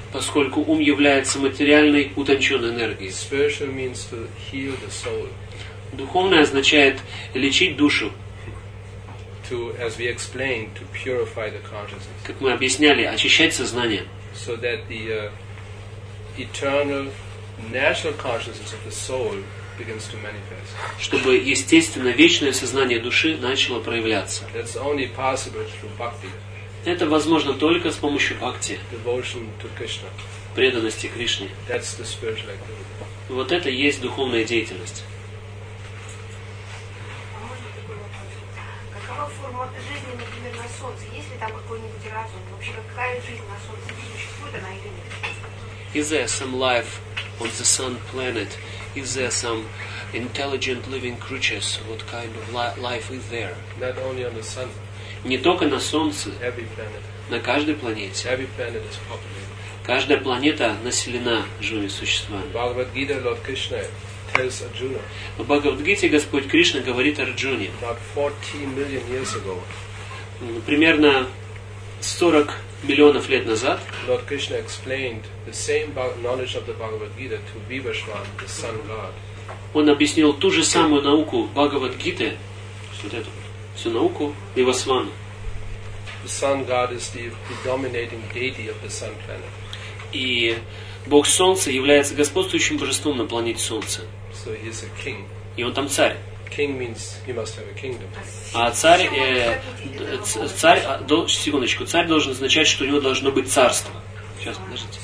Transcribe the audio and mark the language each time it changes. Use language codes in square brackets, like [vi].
[ru] Поскольку ум является материальной, утонченной энергией. [en] Spiritual means to heal the soul. [ru] Духовное означает лечить душу. [en] To, as we explained, to purify the consciousness. [ru] Как мы объясняли, очищать сознание. [en] So that the eternal natural consciousness of the soul begins to manifest. [ru] Чтобы естественно вечное сознание души начало проявляться. [en] That's only possible through bhakti. [ru] Это возможно только с помощью бхакти. [en] Devotion to Krishna. [ru] Преданности Кришне. [en] That's the spiritual activity. [ru] Вот это есть духовная деятельность. А можно такой вопрос? Какова форма жизни, например, на Солнце? Есть ли там какой-нибудь разум? Вообще, какая жизнь на Солнце? Существует она или нет? [en] Is there some life on the sun planet? Is there some intelligent living creatures, what kind of life is there? Not only on the sun. [ru] Не только на Солнце. [en] Every planet. [ru] На каждой планете. [en] Every planet is populated. [ru] Каждая планета населена живыми существами. [en] Bhagavad Gita, Lord Krishna tells Arjuna. [ru] В Бхагавад-гите Господь Кришна говорит Арджуне. [en] About 14 million years ago. [ru] Примерно 40 миллионов лет назад. [en] Lord Krishna explained the same knowledge of the Bhagavad Gita to Vibhishan, the sun god. [ru] Он объяснил ту же самую науку Бхагавад-гиты, вот эту, всю науку, Вивасвану. [en] The sun god is the predominating deity of the sun planet. [ru] И Бог Солнца является господствующим божеством на планете Солнце. [en] So he is a king. [ru] И он там царь. [en] King means he must have a kingdom. [ru] А царь должен означать, что у него должно быть царство. Сейчас, подождите.